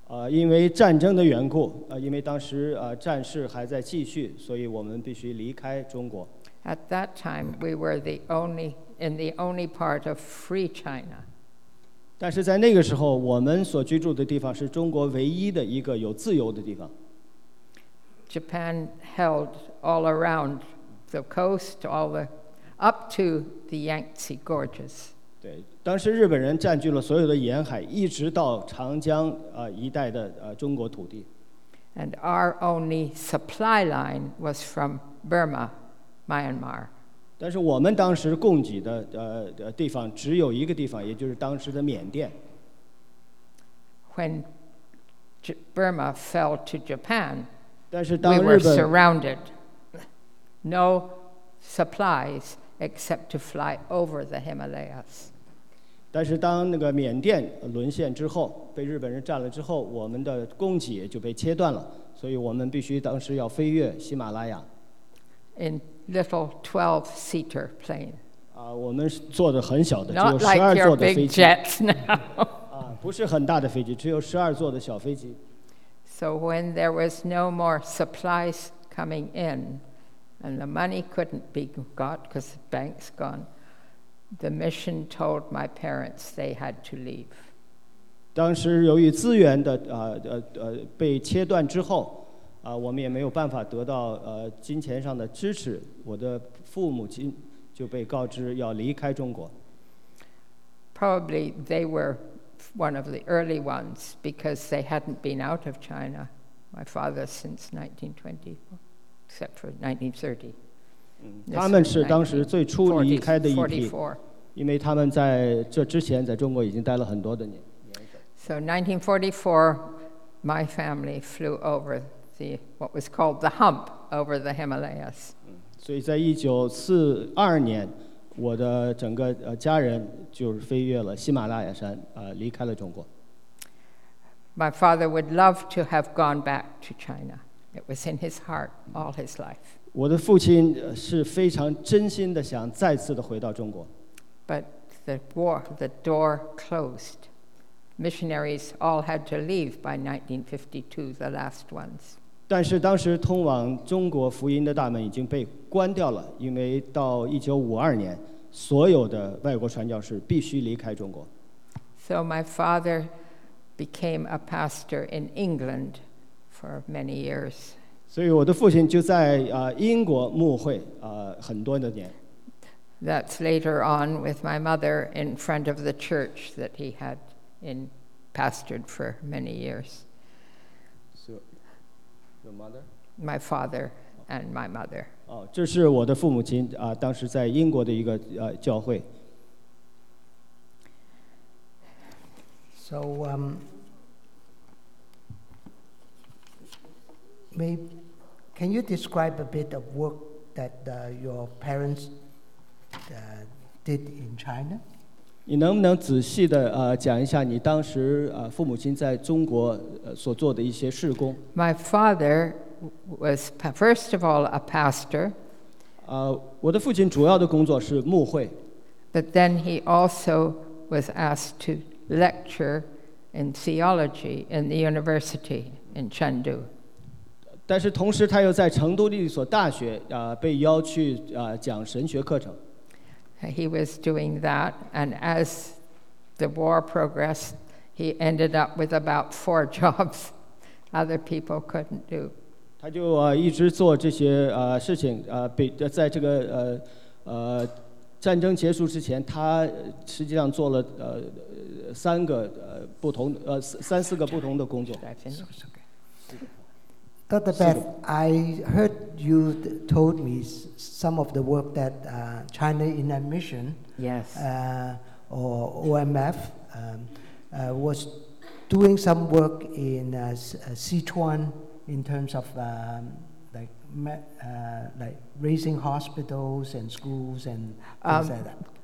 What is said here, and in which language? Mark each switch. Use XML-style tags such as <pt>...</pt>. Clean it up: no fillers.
<zh>因为战争的缘故，因为当时战事还在继续，所以我们必须离开中国。</zh> <en>At that time, we were the only part of free China.</en> <zh>但是在那个时候，我们所居住的地方是中国唯一的一个有自由的地方。</zh> <en>Japan held all around the coast, all the up to the Yangtze Gorges.</en> <zh>对，当时日本人占据了所有的沿海，一直到长江一带的中国土地。</zh> <en>And our only supply line was from Burma. Myanmar.</en> <zh>但是我们当时供给的地方只有一个地方，也就是当时的缅甸。</zh> <en>When Burma fell to Japan,</en> <zh>但是当日本</zh> <en>we were surrounded. No supplies except to fly over the Himalayas.</en> <zh>但是当那个缅甸沦陷之后，被日本人占了之后，我们的供给也就被切断了，所以我们必须当时要飞越喜马拉雅。</zh> <en>Little 12-seater plane.</en> <zh>我们坐的很小的，只有12座的飞机。</zh> <en>Not like your big jets now.</en> <zh>不是很大的飞机，只有12座的小飞机。</zh> <en>So when there was no more supplies coming in, and the money couldn't be got because the bank's gone, the mission told my parents they had to leave.</en> <zh>当时由于资源的被切断之后。我们也没有办法得到金钱上的支持，我的父母亲就被告知要离开中国。</zh> <en>Probably they were one of the early ones because they hadn't been out of China, my father since 1920, except for 1930.</en> <zh>他们是当时最初离开的一批，因为他们在这之前在中国已经待了很多的年。</zh> <en>So 1944, my family flew over. What was called the hump over the Himalayas.</en> <zh>所以在1942年，我的整个家人就是飞越了喜马拉雅山，离开了中国。</zh> <en>My father would love to have gone back to China. It was in his heart all his life.</en> <zh>我的父亲是非常真心的想再次的回到中国。</zh> <en>But the war, the door closed. Missionaries all had to leave by 1952, the last ones.</en> <zh>但是当时通往中国福音的大门已经被关掉了，因为到1952年，所有的外国传教士必须离开中国。</zh> <en>So my father became a pastor in England for many years.</en> <zh>所以我的父亲就在英国牧会很多的年。</zh> <en>That's later on with my mother in front of the church that he had in pastored for many years. Your mother? My father and my mother.</en> <zh>这是我的父母亲当时在英国的一个教会。</zh> <en>So, can you describe a bit of work that your parents did in China?</en> <zh>你能不能仔细的讲一下你当时父母亲在中国所做的一些事工</zh> <en>？My father was first of all a pastor.</en> <zh>我的父亲主要的工作是牧会。</zh> <en>But then he also was asked to lecture in theology in the university in Chengdu.</en> <zh>但是同时他又在成都的一所大学被邀去讲神学课程。</zh> <en>He was doing that, and as the war progressed, he ended up with about 4 jobs other people couldn't do.</en> <zh>他就一直做这些事情，在这个战争结束之前，他实际上做了三四个不同的工作。</zh> <en>Dr. Beth, I heard you told me some of the work that China Inland Mission, yes, or OMF, was doing some work in Sichuan in terms of like raising hospitals and schools and things like that.</en>